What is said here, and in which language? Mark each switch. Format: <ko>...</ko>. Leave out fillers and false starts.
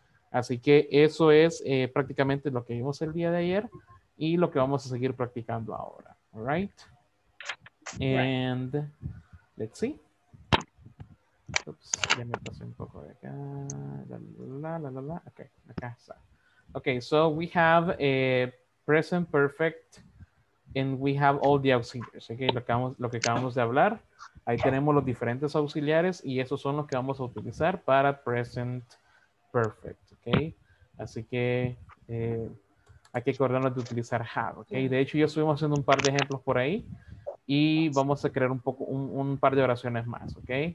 <es>Así que eso es prácticamente lo que vimos el día de ayer y lo que vamos a seguir practicando ahora, ¿right?</es> <en>And let's see. Oops,</en> <es>ya me pasé un poco de acá. La. Okay, acá está.</es> <en>Okay, so we have a present perfect and we have all the auxiliaries.</en> <es>Okay, lo que acabamos de hablar. Ahí tenemos los diferentes auxiliares y esos son los que vamos a utilizar para present perfect. Okay, así que hay que acordarnos de utilizar have. Okay, de hecho, ya estuvimos haciendo un par de ejemplos por ahí. Y vamos a crear un par de oraciones más, ¿ok?</es>